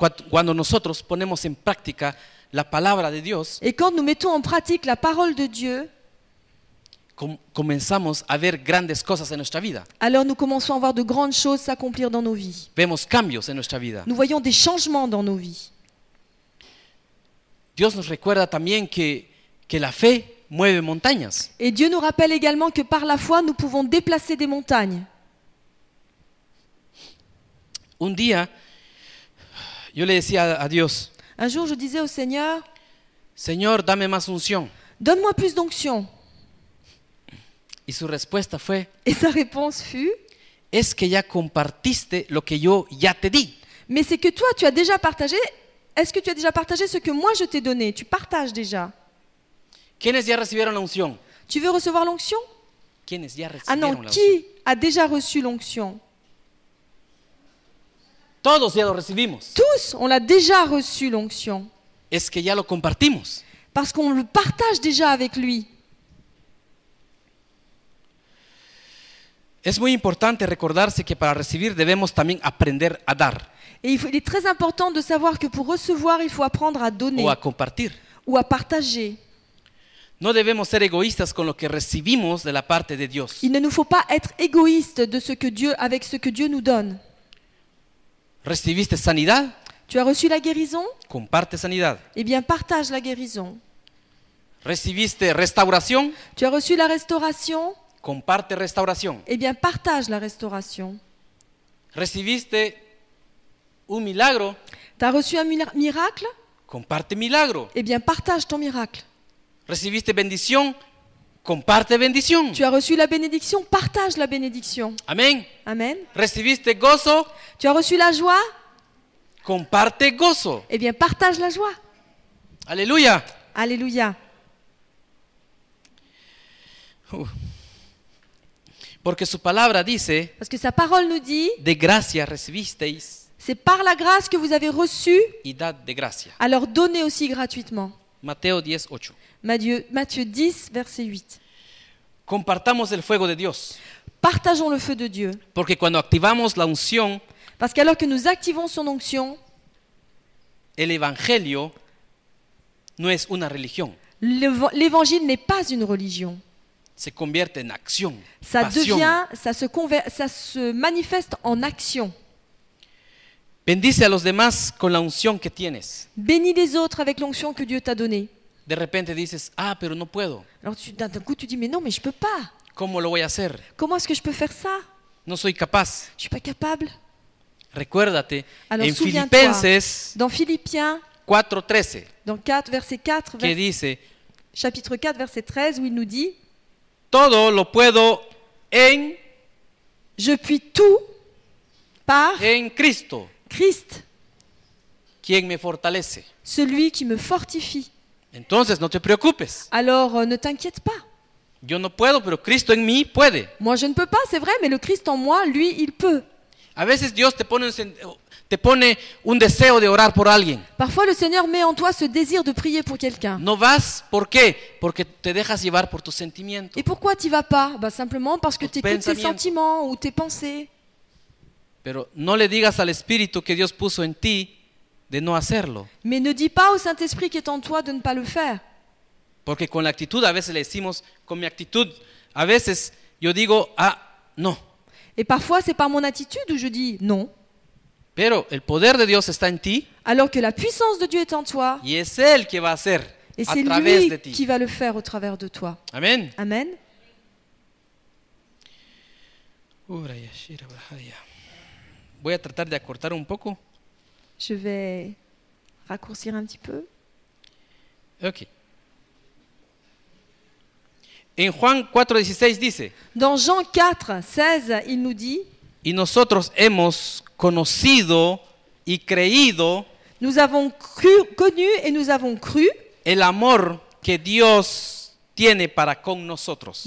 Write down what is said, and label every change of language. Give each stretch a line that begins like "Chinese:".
Spanish: Cuando nosotros ponemos en práctica la palabra de Dios,
French: et quand nous mettons en pratique la parole de Dieu,
Spanish: comenzamos a ver grandes cosas en nuestra vida.
French: Alors nous commençons à voir de grandes choses s'accomplir dans nos vies.
Spanish: Vemos cambios en nuestra vida.
French: Nous voyons des changements dans nos vies.
Spanish: Dios nos recuerda también que la fe mueve montañas.
French: Et Dieu nous rappelle également que par la foi nous pouvons déplacer des montagnes.
Spanish: Un día yo le decía a Dios.
French: Un jour je disais au Seigneur.
Spanish: Señor, dame más unción.
French: Donne-moi plus d'onction.
Spanish: Y su respuesta fue.
French: Et sa réponse fut.
Spanish: Es que ya compartiste lo que yo ya te di.
French: Mais c'est que toi tu as déjà partagé. Est-ce que tu as déjà partagé ce que moi je t'ai donné? Tu partages déjà.
Spanish: ¿Quiénes ya recibieron la unción?
French: Tu veux recevoir l'onction?
Spanish: ¿Quiénes ya recibieron la unción?
French: Ah non, qui a déjà reçu l'onction?
Spanish: Todos ya lo recibimos.
French: Tous, on l'a déjà reçu l'onction.
Spanish: Es que ya lo compartimos.
French: Parce qu'on le partage déjà avec lui.
Spanish: Es muy importante recordarse que para recibir debemos también aprender a dar.
French: Et il est très important de savoir que pour recevoir, il faut apprendre à donner.
Spanish: O a compartir.
French: Ou à partager.
Spanish: No debemos ser egoístas con lo que recibimos de la parte de Dios.
French: Il ne nous faut pas être égoïstes de ce que Dieu avec ce que Dieu nous donne.
Spanish: ¿Recibiste sanidad?
French: Tu as reçu la guérison?
Spanish: Comparte sanidad.
French: Eh bien, partage la guérison.
Spanish: ¿Recibiste restauración?
French: Tu as reçu la restauration?
Spanish: Comparte restauración.
French: Eh bien, partage la restauration.
Spanish: ¿Recibiste un milagro?
French: Tu as reçu un miracle?
Spanish: Comparte milagro.
French: Eh bien, partage ton miracle.
Spanish: Recibiste bendición, comparte bendición.
French: Tu as reçu la bénédiction, partage la bénédiction.
Spanish: Amén.
French: Amen.
Spanish: Recibiste gozo.
French: Tu as reçu la joie.
Spanish: Comparte gozo.
French: Eh bien, partage la joie.
Spanish: Aleluya.
French: Aleluya.
Spanish: Porque su palabra dice.
French: Parce que sa parole nous dit.
Spanish: De gracia recibisteis.
French: C'est par la grâce que vous avez reçu.
Spanish: Y dad de gracia.
French: Alors donnez aussi gratuitement.
Spanish: Mateo 10, 8.
French: Matthieu 10, verset 8.
Spanish: Compartamos el fuego de Dios.
French: Partageons le feu de Dieu.
Spanish: Porque cuando activamos la unción,
French: parce qu'alors que nous activons son onction,
Spanish: el evangelio no es una religión.
French: L'évangile n'est pas une religion.
Spanish: Se convierte en acción.
French: Ça se manifeste en action.
Spanish: Bendice a los demás con la unción que tienes.
French: Bénis les autres avec l'onction que Dieu t'a donnée.
Spanish: De repente dices, ah, pero no puedo.
French: Alors tu, d'un coup tu dis, mais non, mais je peux pas.
Spanish: ¿Cómo lo voy a hacer?
French: Comment est-ce que je peux faire ça?
Spanish: No soy capaz.
French: Je suis pas capable.
Spanish: Recuérdate,
French: alors,
Spanish: en Filipenses,
French: dans Philippiens 4:13. Dans 4 verset 4,
Spanish: que dice,
French: chapitre 4 verset 13 où il nous dit
Spanish: todo lo puedo en
French: je puis tout par
Spanish: en Cristo.
French: Christ.
Spanish: Quien me fortalece.
French: Celui qui me fortifie.
Spanish: Entonces no te preocupes.
French: Alors ne t'inquiète pas.
Spanish: Yo no puedo, pero Cristo en mí puede.
French: Moi je ne peux pas, c'est vrai, mais le Christ en moi, lui, il peut.
Spanish: A veces Dios te pone un deseo de orar por alguien.
French: Parfois le Seigneur met en toi ce désir de prier pour quelqu'un.
Spanish: No vas, ¿por qué? Porque te dejas llevar por tus sentimientos.
French: Et pourquoi tu vas pas? Bah simplement parce que tu écoutes tes sentiments ou tes pensées.
Spanish: Pero no le digas al Espíritu que Dios puso en ti de no hacerlo.
French: Mais ne dis pas au Saint-Esprit qui est en toi de ne pas le faire.
Spanish: Porque con la actitud a veces le decimos, con mi actitud, a veces yo digo, ah, no.
French: Et parfois c'est par mon attitude où je dis non.
Spanish: Pero el poder de Dios está en ti.
French: Alors que la puissance de Dieu est en toi.
Spanish: Y es él que va a hacer a través de ti.
French: Et c'est lui qui va le faire au travers de toi.
Spanish: Amen.
French: Amen.
Spanish: Voy a tratar de acortar un poco.
French: Je vais raccourcir un petit peu. Ok.
Spanish: En Juan 4:16 dice.
French: Dans Jean 4:16, il nous dit.
Spanish: Y nosotros hemos conocido y creído.
French: Nous avons cru, connu et nous avons cru.
Spanish: El amor que Dios tiene para con nosotros.